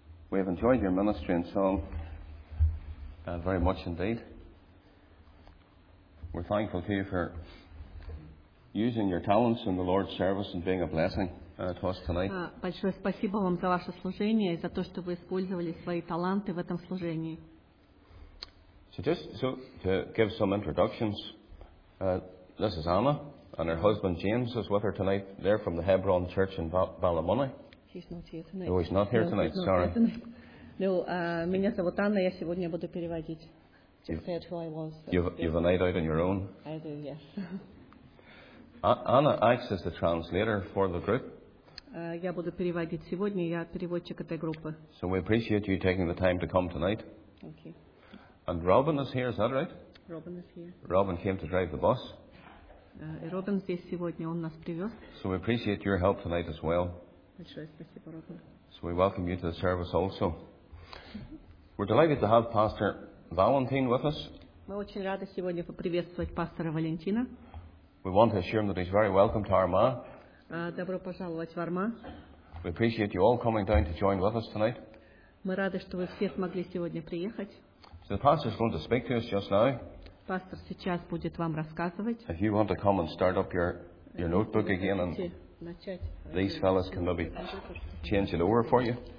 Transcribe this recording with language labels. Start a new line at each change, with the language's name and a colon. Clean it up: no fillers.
English: We have enjoyed your ministry and song very much indeed. We're thankful to you for using your talents in the Lord's service and being a blessing to us tonight.
Russian: Большое спасибо вам за ваше служение и за то, что вы использовали свои таланты в этом служении.
English: So to give some introductions, this is Anna, and her husband James is with her tonight. They're from the Hebron Church in Ballymoney. He's not here tonight. Oh, he's not here tonight. Sorry.
Russian: No, меня зовут Анна. Я сегодня буду переводить.
English: Just said who I was. You've a night out on your own. I do, yes. Anna acts as the translator for the group.
Russian: Я буду переводить сегодня. Я переводчик этой группы.
English: So we appreciate you taking the time to come tonight. Okay. And Robin is here. Is that right? Robin is here. Robin came to drive the bus.
Russian: Робин здесь сегодня. Он нас привез.
English: So we appreciate your help tonight as well.
Russian: Большое спасибо, Робин.
English: So we welcome you to the service also. We're delighted to have Pastor Valentin with us.
Russian: Мы очень рады сегодня поприветствовать пастора Валентина.
English: We want to assure him that he's very welcome to Armagh.
Russian: Добро пожаловать в Армагh.
English: We appreciate you all coming down to join with us tonight.
Russian: Мы рады, что вы все смогли сегодня приехать.
English: So the pastor is going to speak to us just now.
Russian: Пастор сейчас будет вам рассказывать.
English: If you want to come and start up your notebook again, and these fellows can maybe change it over for you.